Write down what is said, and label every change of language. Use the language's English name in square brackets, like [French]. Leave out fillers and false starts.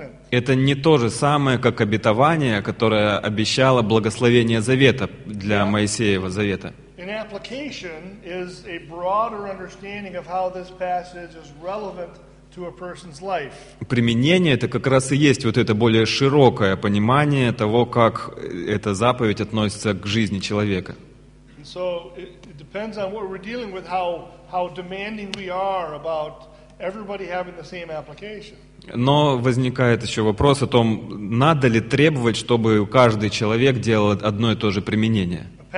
[Russian] Это не то же самое, как обетование, которое обещало благословение завета для Моисеева завета. [English] An application is a broader understanding of how this passage is relevant to a person's life. [Russian] Применение — это как раз и есть вот это более широкое понимание того, как эта заповедь относится к жизни человека. [English] And so it depends on what we're dealing with, how demanding we are about everybody having the same application. [Russian] Но возникает еще вопрос о том, надо ли требовать, чтобы каждый человек делал одно и то же применение.